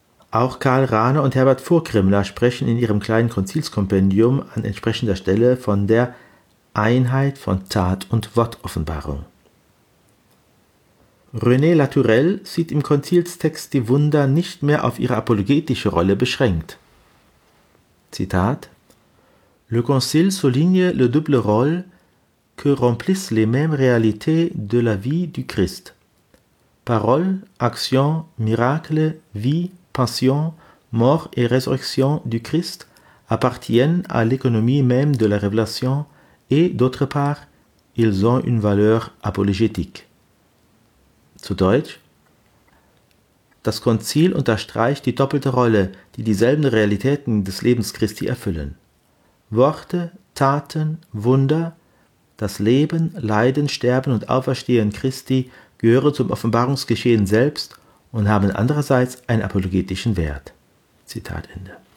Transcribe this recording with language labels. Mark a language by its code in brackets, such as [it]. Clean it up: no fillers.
[de] Auch Karl Rahner und Herbert Furkrimmler sprechen in ihrem kleinen Konzilskompendium an entsprechender Stelle von der Einheit von Tat- und Wortoffenbarung. René Latourelle sieht im Konzilstext die Wunder nicht mehr auf ihre apologetische Rolle beschränkt. Zitat: [fr] Le Concile souligne le double rôle que remplissent les mêmes réalités de la vie du Christ. Parole, action, miracle, vie, passion, mort et résurrection du Christ appartiennent à l'économie même de la révélation. Et d'autre part, ils ont une valeur apologétique. [de] Zu Deutsch: Das Konzil unterstreicht die doppelte Rolle, die dieselben Realitäten des Lebens Christi erfüllen. Worte, Taten, Wunder, Das Leben, Leiden, Sterben und Auferstehen Christi gehören zum Offenbarungsgeschehen selbst und haben andererseits einen apologetischen Wert. Zitat Ende.